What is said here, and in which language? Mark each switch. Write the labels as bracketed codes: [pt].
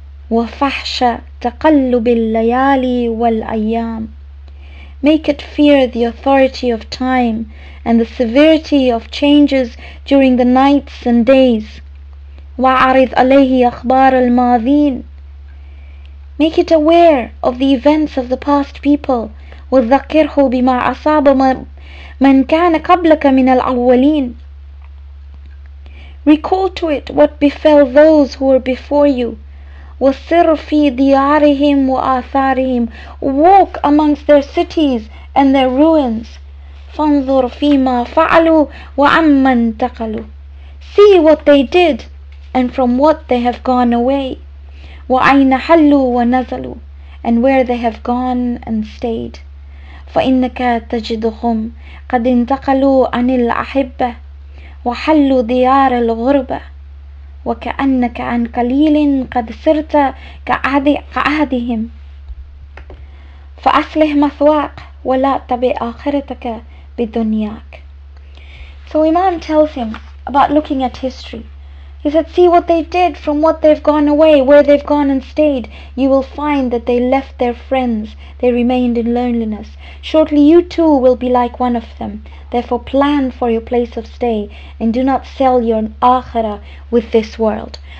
[ar] وفحش تقلب الليالي والأيام. [en] Make it fear the authority of time and the severity of changes during the nights and days. [ar] وعرض عليه أخبار الماضين. [en] Make it aware of the events of the past people. [ar] وذكره بما أصاب من كان قبلك من الأولين. [en] Recall to it what befell those who were before you. [ar] وسر في ديارهم وآثارهم. [en] Walk amongst their cities and their ruins. [ar] فانظر فيما فعلوا وعما انتقلوا. [en] See what they did and from what they have gone away. [ar] وأين حلوا ونزلوا. [en] And where they have gone and stayed. [ar] فإنك تجدهم قد انتقلوا عن الأحبة وحلوا ديار الغربة. وكأنك عن قليل قد صرت كأهدهم. فأصلح مثواك ولا تبع آخرتك بدنياك. [en] So Imam tells him about looking at history. He said, see what they did, from what they've gone away, where they've gone and stayed. You will find that they left their friends. They remained in loneliness. Shortly you too will be like one of them. Therefore plan for your place of stay and do not sell your akhirah with this world.